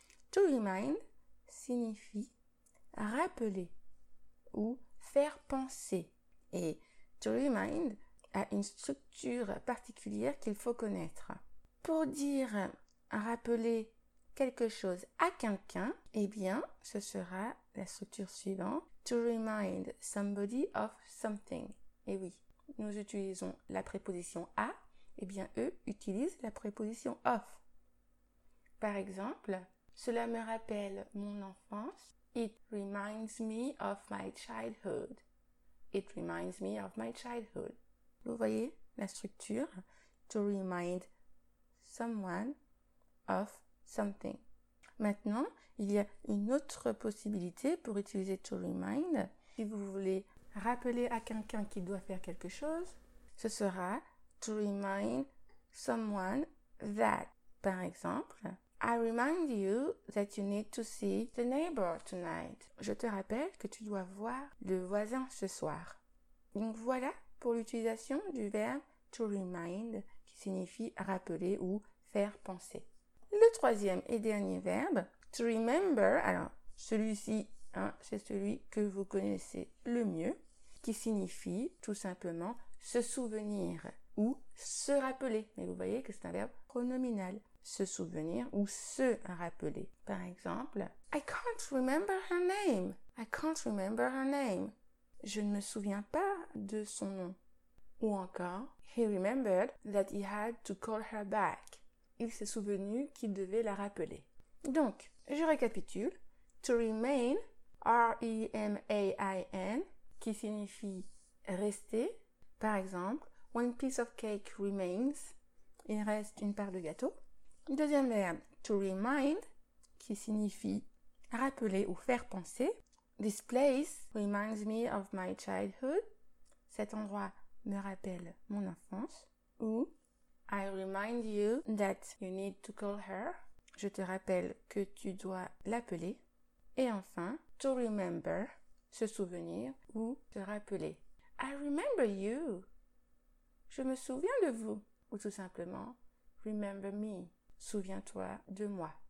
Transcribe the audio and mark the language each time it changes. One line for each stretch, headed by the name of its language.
French: To remind signifie rappeler ou faire penser. Et to remind a une structure particulière qu'il faut connaître. Pour dire rappeler quelque chose à quelqu'un, eh bien, ce sera la structure suivante.
English: To remind somebody of something.
French: Et oui, nous utilisons la préposition à, et bien eux utilisent la préposition of. Par exemple, cela me rappelle mon enfance.
English: It reminds me of my childhood. It reminds me of my childhood.
French: Vous voyez la structure?
English: To remind someone of something.
French: Maintenant, il y a une autre possibilité pour utiliser to remind. Si vous voulez rappeler à quelqu'un qu'il doit faire quelque chose, ce sera to remind someone that. Par exemple,
English: I remind you that you need to see the neighbor tonight.
French: Je te rappelle que tu dois voir le voisin ce soir. Donc voilà pour l'utilisation du verbe to remind qui signifie rappeler ou faire penser. Le troisième et dernier verbe, to remember, alors celui-ci, hein, c'est celui que vous connaissez le mieux, qui signifie tout simplement se souvenir ou se rappeler. Mais vous voyez que c'est un verbe pronominal, se souvenir ou se rappeler. Par exemple,
English: I can't remember her name. I can't remember her name.
French: Je ne me souviens pas de son nom. Ou encore,
English: he remembered that he had to call her back.
French: Il s'est souvenu qu'il devait la rappeler. Donc, je récapitule. To remain, R-E-M-A-I-N, qui signifie rester. Par exemple,
English: one piece of cake remains.
French: Il reste une part de gâteau. Deuxième verbe, to remind, qui signifie rappeler ou faire penser.
English: This place reminds me of my childhood.
French: Cet endroit me rappelle mon enfance.
English: Ou I remind you that you need to call her.
French: Je te rappelle que tu dois l'appeler. Et enfin, to remember, se souvenir ou se rappeler.
English: I remember you.
French: Je me souviens de vous. Ou tout simplement,
English: remember me.
French: Souviens-toi de moi.